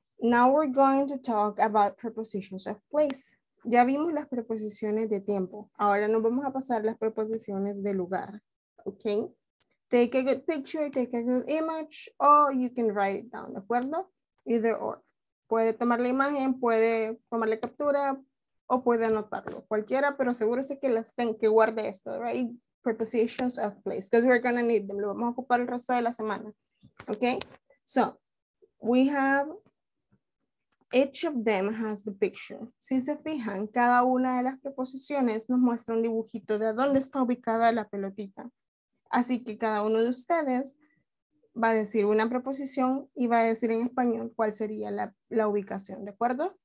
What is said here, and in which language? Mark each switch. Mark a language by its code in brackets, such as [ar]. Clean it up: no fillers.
[en] Now we're going to talk about prepositions of place. [es] Ya vimos las preposiciones de tiempo. Ahora nos vamos a pasar las preposiciones de lugar. Okay. [en] Take a good picture, take a good image, or you can write it down. [es] ¿De acuerdo? [en] Either or. [es] Puede tomar la imagen, puede tomar la captura. O puede anotarlo, cualquiera, pero asegúrese que las tenga, que guarde esto, right? [en] Prepositions of place, because we're going to need them. [es] Lo vamos a ocupar el resto de la semana. [en] Okay? So, we have, each of them has the picture. [es] Si se fijan, cada una de las preposiciones nos muestra un dibujito de dónde está ubicada la pelotita. Así que cada uno de ustedes va a decir una preposición y va a decir en español cuál sería la ubicación, ¿de acuerdo?